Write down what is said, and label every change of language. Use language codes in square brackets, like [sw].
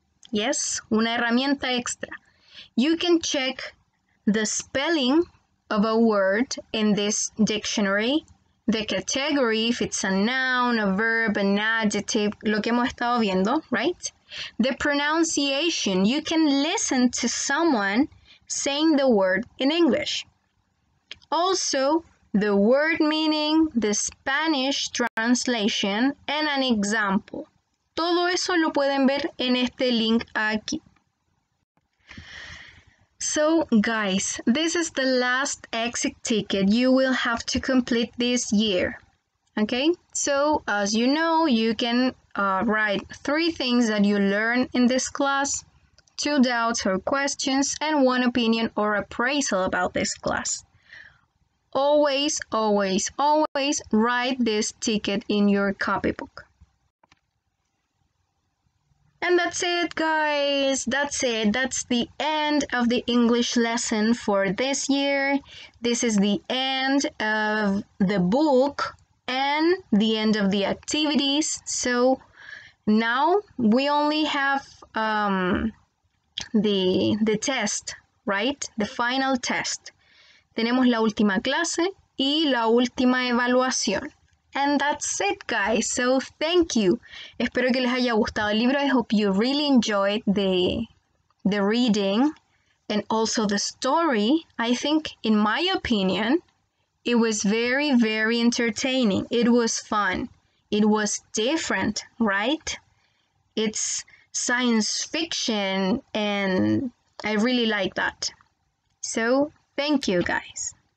[en] Yes, [es] una herramienta extra. [en] You can check the spelling of a word in this dictionary, the category, if it's a noun, a verb, an adjective, [es] lo que hemos estado viendo, [en] right? The pronunciation, you can listen to someone saying the word in English. Also, the word meaning, the Spanish translation, and an example. [es] Todo eso lo pueden ver en este link aquí. [en] So, guys, this is the last exit ticket you will have to complete this year. Okay? So, as you know, you can write three things that you learn in this class, two doubts or questions, and one opinion or appraisal about this class. Always, always, always write this ticket in your copybook. And that's it, guys! That's it! That's the end of the English lesson for this year. This is the end of the book and the end of the activities. So now we only have the test, right? The final test. [es] Tenemos la última clase y la última evaluación. [en] And that's it, guys. So, thank you. [es] Espero que les haya gustado el libro. [en] I hope you really enjoyed the reading and also the story. I think, in my opinion, it was very, very entertaining. It was fun. It was different, right? It's science fiction, and I really like that. So, thank you, guys.